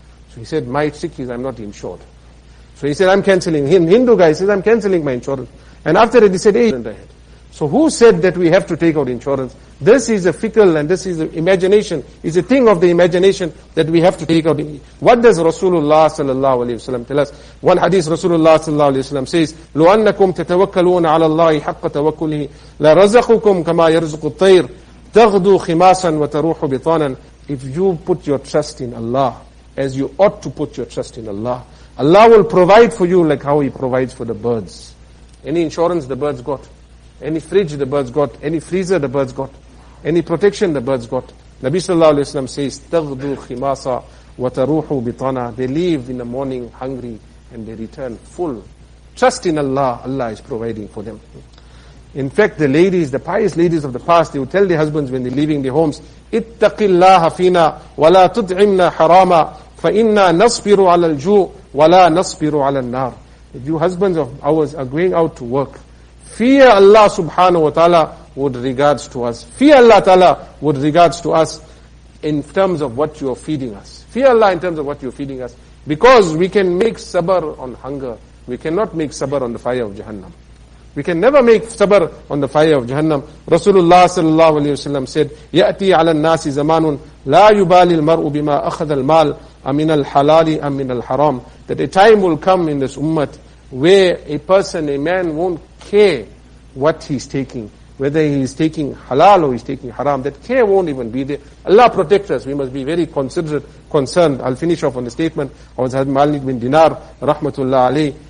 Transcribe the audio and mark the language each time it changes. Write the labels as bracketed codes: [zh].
[en] So he said, my trick is I'm not insured. So he said, I'm cancelling. Hindu guy says, I'm cancelling my insurance. And after that, he said, hey. So who said that we have to take out insurance? This is a fickle and this is an imagination. It's a thing of the imagination that we have to take out. What does Rasulullah sallallahu alayhi wa sallam tell us? One hadith Rasulullah sallallahu alayhi wa sallam says, [ar] لو أنكم تتوكلون على الله حق توكله لرزقكم كما يرزق الطير تغدو خماسا وتروح بطانا. [en] If you put your trust in Allah, as you ought to put your trust in Allah, Allah will provide for you like how He provides for the birds. Any insurance the birds got? Any fridge the birds got, any freezer the birds got, any protection the birds got. [ar] Nabi sallallahu alayhi wa sallam says, تَغْدُوا خِمَاسَ وَتَرُوحُ بِطَانَا. [en] They leave in the morning hungry and they return full. Trust in Allah, Allah is providing for them. In fact, the ladies, the pious ladies of the past, they would tell their husbands when they're leaving their homes, [ar] اتَّقِ اللَّهَ فِينا وَلَا تُطْعِمْنَا حَرَامًا فَإِنَّا نَصْبِرُ عَلَى الْجُوءِ وَلَا نَصْبِرُ عَلَى النَّارِ. [en] If you husbands of ours are going out to work, fear Allah subhanahu wa ta'ala with regards to us. Fear Allah ta'ala with regards to us in terms of what you are feeding us. Fear Allah in terms of what you are feeding us. Because we can make sabr on hunger. We cannot make sabr on the fire of Jahannam. We can never make sabr on the fire of Jahannam. Rasulullah sallallahu alayhi wa sallam said, [ar] يَأْتِي عَلَى النَّاسِ زَمَانٌ لَا يُبَالِي الْمَرْءُ بِمَا أَخَذَ الْمَالِ أَمِنَ الْحَلَالِ أَمِنَ الْحَرَامِ. [en] That a time will come in this ummah where a person, a man, won't care what he's taking, whether he's taking halal or he's taking haram. That care won't even be there. Allah protect us. We must be very considerate, concerned. I'll finish off on the statement of Hazrat Malik bin Dinar, rahmatullah alayh.